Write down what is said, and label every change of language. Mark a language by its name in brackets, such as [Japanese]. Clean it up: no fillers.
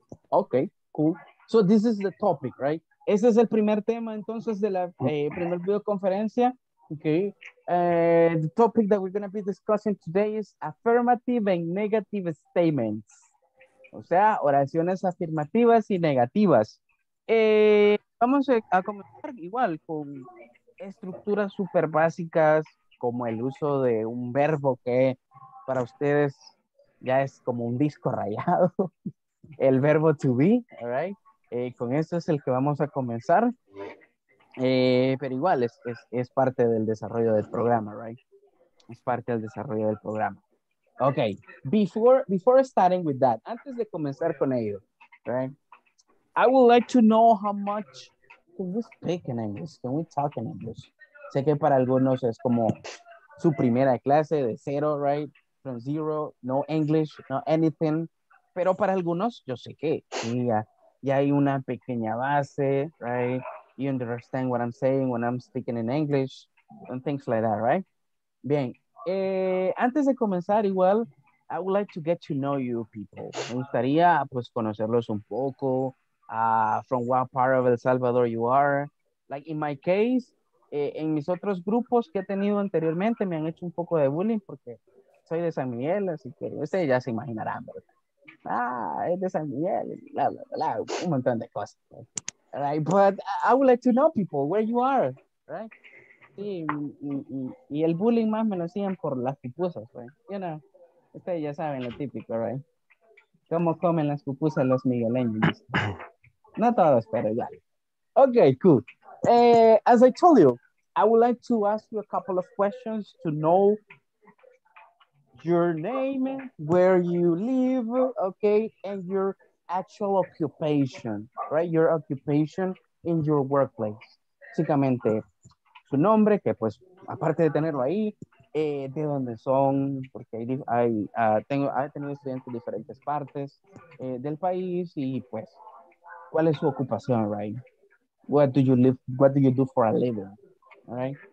[English] Okay, cool. So this is the topic, right? [Spanish] Ese es el primer tema, entonces, de la primer videoconferencia. [English] Okay. The topic that we're going to be discussing today is affirmative and negative statements. [Spanish] O sea, oraciones afirmativas y negativas. Vamos a comenzar igual con estructuras súper básicas, como el uso de un verbo que para ustedes ya es como un disco rayado. El verbo to be, all right. Con esto es el que vamos a comenzar. Pero igual, es parte del desarrollo del programa, right? Es parte del desarrollo del programa. Ok, [English] before starting with that, [Spanish] antes de comenzar con ello, right? [English] I would like to know how much, can we speak in English? Can we talk in English? [Spanish] Sé que para algunos es como su primera clase de cero, right? [English] From zero, no English, no anything. [Spanish] Pero para algunos, yo sé que ya hay una pequeña base, right? [English] You understand what I'm saying when I'm speaking in English and things like that, right? [Spanish] Bien, antes de comenzar, igual, [English] I would like to get to know you people. [Spanish] Me gustaría, pues, conocerlos un poco, [English] from what part of El Salvador you are. Like, in my case, [Spanish] en mis otros grupos que he tenido anteriormente, me han hecho un poco de bullying porque soy de San Miguel, así que ustedes ya se imaginarán, ¿verdad? Ah, es de San Miguel, bla, bla, bla, un montón de cosas, right? [English] But I would like to know people where you are, right? [Spanish] Sí, y el bullying más me lo hacían por las pupusas, right? [English] You know, [Spanish] ustedes ya saben lo típico, right? Cómo comen las pupusas los migueleños. No todos, pero igual. Okay, cool. [English] As I told you, I would like to ask you a couple of questions to know your name, where you live, okay, and your actual occupation, right? Your occupation in your workplace. [Spanish] Básicamente, su nombre, que pues, aparte de tenerlo ahí, de dónde son, porque he tenido estudiantes de diferentes partes del país, y pues, ¿cuál es su ocupación, right? [English] What do you do for a living, all right?